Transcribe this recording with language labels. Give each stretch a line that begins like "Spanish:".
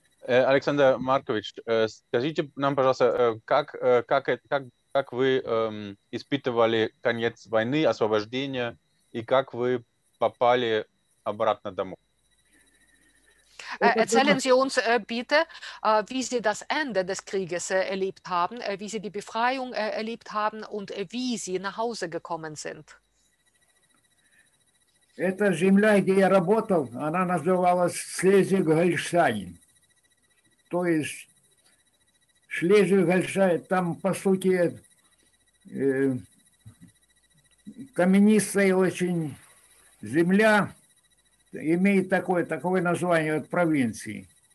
Russian: Александр Маркович, скажите нам, пожалуйста, как вы испытывали конец войны, освобождение, и как вы попали обратно домой?
German: Erzählen Sie uns bitte, wie Sie das Ende des Krieges erlebt haben, wie Sie die Befreiung erlebt haben und wie Sie nach Hause gekommen sind.
Russian: Эта земля, где я работал, она называлась Слезвиг-Гольштейн. То есть Шлезвиг-Гольштейн, там, по сути, каменистая очень земля, имеет такое название от провинции.